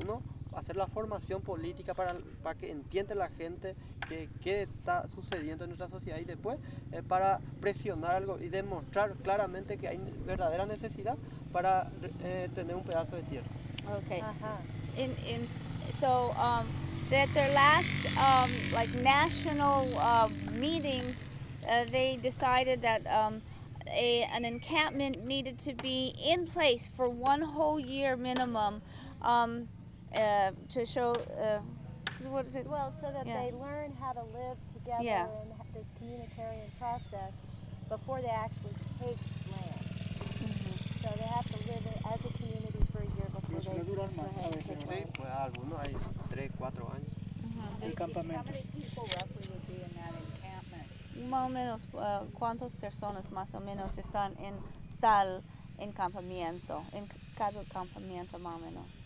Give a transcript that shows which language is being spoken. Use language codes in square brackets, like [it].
[es] Uno, hacer la formación política para que entienda la gente qué está sucediendo en nuestra sociedad y después para presionar algo y demostrar claramente que hay verdadera necesidad para tener un pedazo de tierra. [en] Okay. Uh-huh. So at their last national meetings, they decided that an encampment needed to be in place for one whole year minimum to show what is it? Well, so that they learn how to live together in this communitarian process before they actually take land. Mm-hmm. So they have to live as a community for a year before they [es] El [en] see, [es] campamento. Más o menos, ¿cuántas personas más o menos están en tal encampamento, en cada campamento más o menos?